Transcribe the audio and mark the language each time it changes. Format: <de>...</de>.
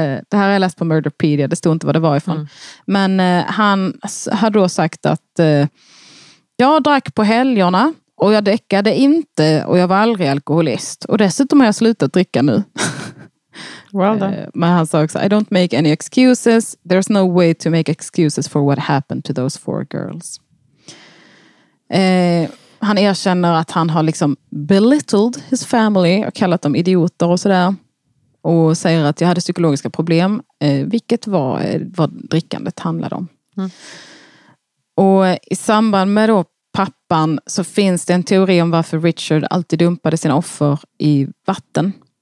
<sv>Det här har jag läst på Murderpedia, det stod inte vad det var ifrån. Mm. Men han har då sagt att jag drack på helgerna. Och jag däckade inte och jag var aldrig alkoholist. Och dessutom har jag slutat dricka nu.</sv> <en>Well done.</en> <sv>Men han sa också,</sv> <en>I don't make any excuses. There's no way to make excuses for what happened to those four girls.</en> <sv>Han erkänner att han har liksom</sv> <en>belittled his family</en> <sv>och kallat dem idioter och sådär. Och säger att jag hade psykologiska problem. Vilket var vad drickandet handlade om. Mm. Och i samband med då pappan så finns det en teori om varför Richard alltid dumpade sina offer i vatten.</sv>